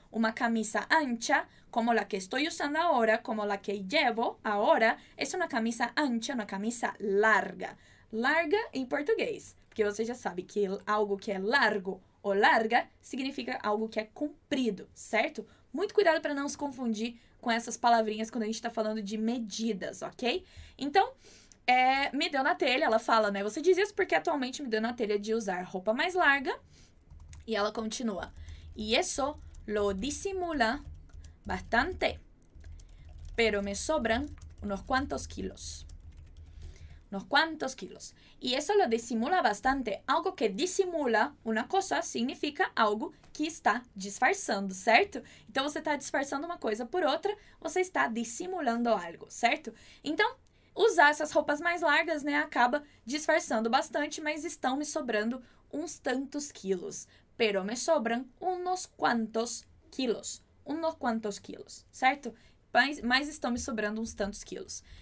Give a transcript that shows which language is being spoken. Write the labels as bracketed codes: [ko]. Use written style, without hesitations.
[es] Uma camisa ancha, como la que estoy usando ahora, como la que llevo ahora, es una camisa ancha, una camisa larga. [pt] Larga em português, porque você já sabe que algo que é largo ou larga significa algo que é comprido, certo? Muito cuidado para não se confundir com essas palavrinhas quando a gente está falando de medidas, ok? Então, me deu na telha, ela fala, né? Você diz isso porque atualmente me deu na telha de usar roupa mais larga. E ela continua. E isso... [es] Lo disimula bastante, pero me sobran unos cuantos kilos. Unos cuantos kilos. Y eso lo disimula bastante. Algo que disimula una cosa significa algo que está disfarçando, certo? [pt] Então, você está disfarçando uma coisa por outra, você está dissimulando algo, certo? Então, usar essas roupas mais largas, né, acaba disfarçando bastante, mas estão me sobrando uns tantos quilos. [es] Pero me sobran unos cuantos quilos. Unos cuantos quilos, certo? [pt] Mas estão me sobrando uns tantos quilos.